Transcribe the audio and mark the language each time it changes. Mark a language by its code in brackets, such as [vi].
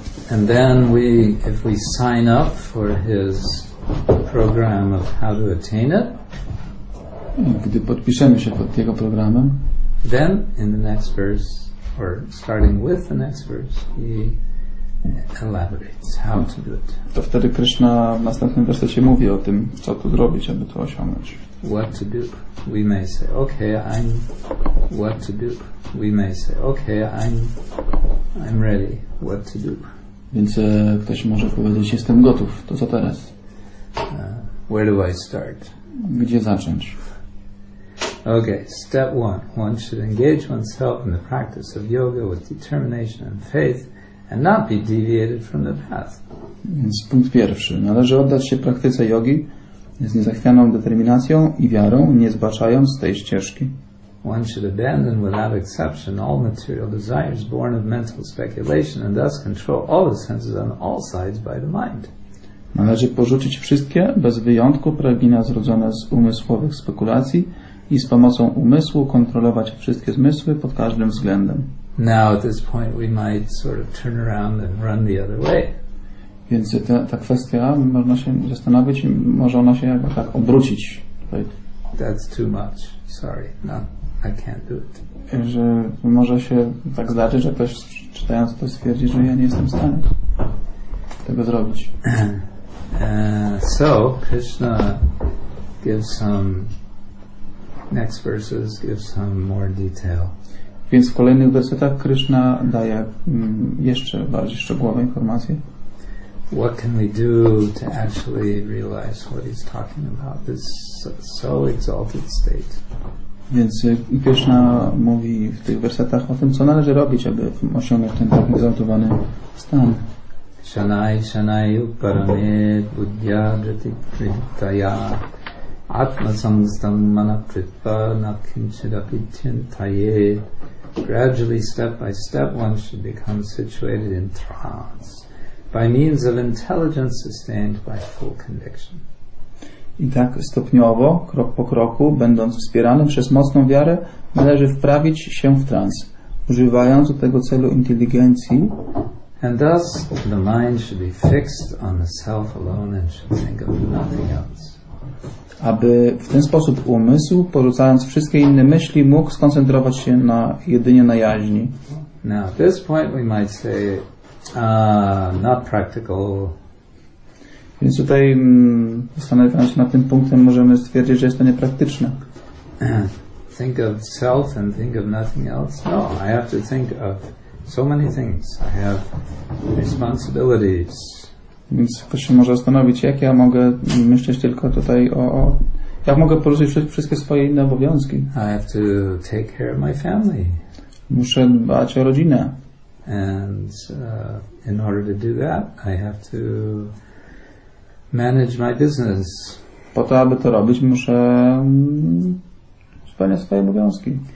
[en] And then we, if we sign up for his program of how to attain it, [pl] gdy podpiszemy się pod jego programem, [en] then in the next verse, or starting with the next verse, he elaborates how to do it. [pl] To wtedy Krishna w następnym wersecie mówi o tym, co tu zrobić, aby to osiągnąć. [en] What to do? We may say, okay, I'm. What to do? We may say, okay, I'm ready. What to do? [pl] Więc ktoś może powiedzieć, jestem gotów. To co teraz? [en] Where do I start? [pl] Gdzie zacząć? [en] Okay, step one. One should engage oneself in the practice of yoga with determination and faith and not be deviated from the path. [pl] Więc punkt pierwszy. Należy oddać się praktyce jogi z niezachwianą determinacją i wiarą, nie zbaczając z tej ścieżki. [en] one should abandon without exception all material desires born of mental speculation and thus control all the senses on all sides by the mind. [pl] Należy porzucić wszystkie, bez wyjątku, pragnienia zrodzone z umysłowych spekulacji i z pomocą umysłu kontrolować wszystkie zmysły pod każdym względem. [en] Now at this point we might sort of turn around and run the other way. [pl] Więc ta kwestia, można się zastanowić, może ona się jakby tak obrócić. [en] That's too much. Sorry. No, I can't do it. [pl] Że może się tak zdarzyć, że ktoś czytając to stwierdzi, że ja nie jestem w stanie tego zrobić. [en] So Krishna gives some next verses, gives some more detail. [pl] Więc w kolejnych wersetach Krishna daje jeszcze bardziej szczegółowe informacje. [en] What can we do to actually realize what he's talking about? This so exalted state. [pl] Więc Krishna mówi w tych wersetach o tym, co należy robić, aby osiągnąć ten tak egzaltowany stan. [sa] Shanai shanai uparame buddhya jati prithaya atma samstam manapritpa na kinchidapi chintaye. [en] Gradually, step by step, one should become situated in trance. By means of intelligence sustained by full conviction. [pl] I tak stopniowo, krok po kroku, będąc wspierany przez mocną wiarę, należy wprawić się w trans, używając do tego celu inteligencji. [en] And thus the mind should be fixed on the self alone and should think of nothing else. [pl] Aby w ten sposób umysł, porzucając wszystkie inne myśli, mógł skoncentrować się na jedynie na jaźni. [en] Now, at this point we might say, not practical. [pl] Więc tutaj zastanawiając się nad tym punktem, możemy stwierdzić, że jest to niepraktyczne. [en] Think of self and think of nothing else. No, I have to think of so many things. I have responsibilities. [pl] Więc ktoś się może zastanowić, jak ja mogę myśleć tylko tutaj o jak mogę poruszyć wszystkie swoje inne obowiązki. [en] I have to take care of my family. [pl] Muszę dbać o rodzinę. [en] And in order to do that, I have to manage my business. [pl] Po to, aby to robić, muszę spełniać swoje obowiązki.